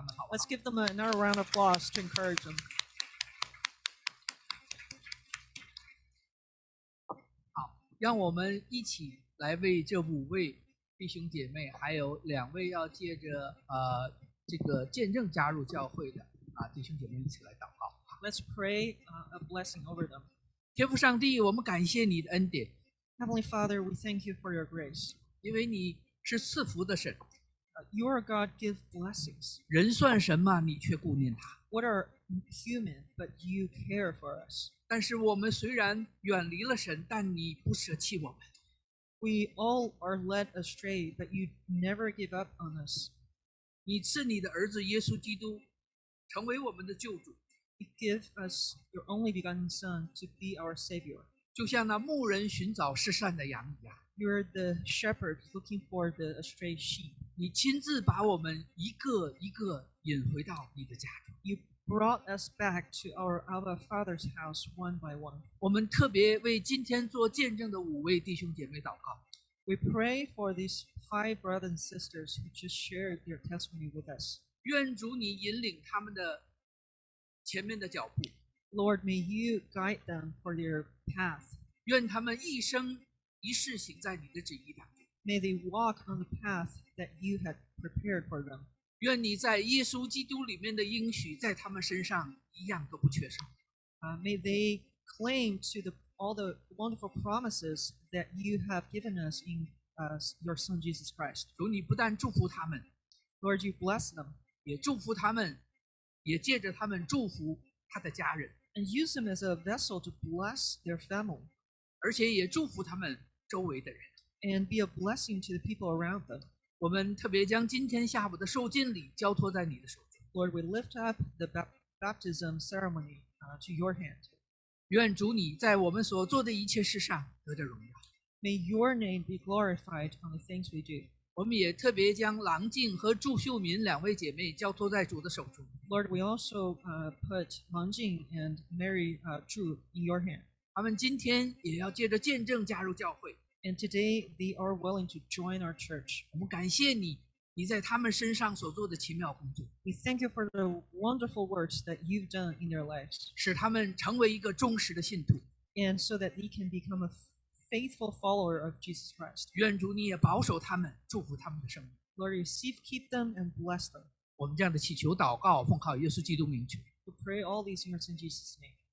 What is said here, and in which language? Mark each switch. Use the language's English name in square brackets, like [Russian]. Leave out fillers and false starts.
[English] Let's give them another round of applause to encourage them. [Chinese] 让我们一起来为这五位弟兄姐妹，还有两位要借着这个见证加入教会的弟兄姐妹一起来祷告。 [English] Let's pray a blessing over them. [Chinese] 天父上帝，我们感谢你的恩典。 [English] Heavenly Father, we thank you for your grace. [Chinese] 因为你是赐福的神。 [English] You are God, give blessings. [Chinese] 人算什么，你却顾念他。 [English] What are human, but you care for us? [Chinese] 但是我们虽然远离了神，但你不舍弃我们。 [English] We all are led astray, but you never give up on us. [Chinese] 你赐你的儿子耶稣基督成为我们的救主。 [English] You give us your only begotten Son to be our Savior. [Chinese] 就像那牧人寻找失散的羊一样。 [English] You're the shepherd looking for the astray sheep. [Chinese] 你亲自把我们一个一个引回到你的家中。 [English] You brought us back to our Abba Father's house one by one. [Chinese] 我们特别为今天做见证的五位弟兄姐妹祷告。 [English] We pray for these five brothers and sisters who just shared their testimony with us. [Chinese] 愿主你引领他们的前面的脚步。 [English] Lord, may you guide them for their path. [Chinese] 愿他们一生一世行在你的旨意当中。 [English] May they walk on the path that you had prepared for them. [Chinese] 愿你在耶稣基督里面的应许在他们身上一样都不缺少。 [English] May they claim to all the wonderful promises that you have given us in your Son Jesus Christ. [Chinese] 主你不但祝福他们， [English] Lord, you bless them. [Chinese] 也祝福他们，也借着他们祝福他的家人。 [English] And use them as a vessel to bless their family. [Chinese] 而且也祝福他们周围的人。 [English] And be a blessing to the people around them. [Chinese] 我们特别将今天下午的受浸礼交托在你的手中。 [English] Lord, we lift up the baptism ceremony to your hand. [Chinese] 愿主你在我们所做的一切事上得着荣耀。 [English] May your name be glorified on the things we do. [Chinese] 我们也特别将郎静和祝秀敏两位姐妹交托在主的手中。 [English] Lord, we also put 郎静 and Mary Zhu in your hand. [Chinese] 他们今天也要借着见证加入教会。 [English] And today they are willing to join our church. [Chinese] 我们感谢你，你在他们身上所做的奇妙工作。 [English] We thank you for the wonderful works that you've done in their lives. [Chinese] 使他们成为一个忠实的信徒。 [English] And so that they can become a faithful follower of Jesus Christ. [Chinese] 愿主你也保守他们，祝福他们的生命。 [English] Lord, receive, keep them and bless them. [Chinese] 我们这样的祈求祷告，奉靠耶稣基督名求。 [English] We pray all these things in Jesus' name.